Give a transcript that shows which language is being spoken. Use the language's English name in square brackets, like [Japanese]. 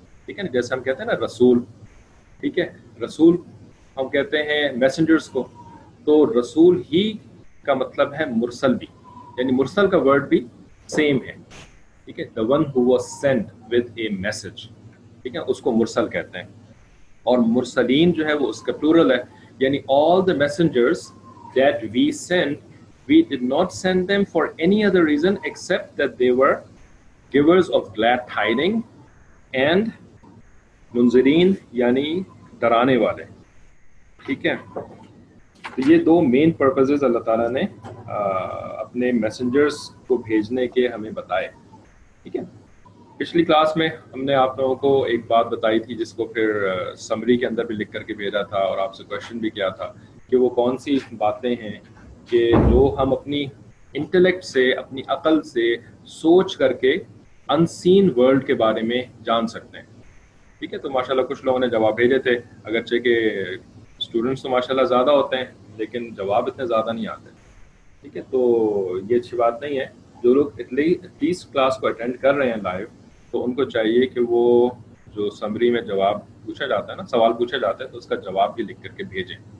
[Hindi] ठीक है ना, जैसे हम कहते हैं ना रसूल, ठीक है, रसूल हम कहते हैं मैसेंजर्स को, तो रसूल ही का मतलब है मुरसल भी, यानी मुरसल का वर्ड भी सेम है. [English] ठीक है, the one who was sent with a message, [Hindi] ठीक है, उसको मुरसल कहते हैं. और मुरसलीन जो है वो उसका प्लूरल है, यानी [English] all the messengers that we sent, we did not send them for any other reason except that they were givers of glad tidings and [Hindi] munzireen yani darane wale. theek hai, to ye do main purposes allah taala ne apne messengers ko bhejne ke hame bataye. theek hai, pichli class mein humne aap logo ko ek baat batayi thi jisko phir summary ke andar bhi likh kar ke bheja tha aur aap se question bhi kiya tha ki wo kaun si baatein hain कि जो हम अपनी intellect से, अपनी अकल से सोच करके अनसीन वर्ल्ड के बारे में जान सकते हैं. ठीक है, तो माशाल्लाह कुछ लोगों ने जवाब भेजे थे, अगरचे के स्टूडेंट्स तो माशाल्लाह ज़्यादा होते हैं लेकिन जवाब इतने ज़्यादा नहीं आते. ठीक है, तो ये अच्छी बात नहीं है. जो लोग एटलीस्ट क्लास को अटेंड कर रहे हैं लाइव, तो उनको चाहिए कि वो जो समरी में जवाब पूछा जाता है ना, सवाल पूछे जाते हैं, तो उसका जवाब भी लिख करके भेजें.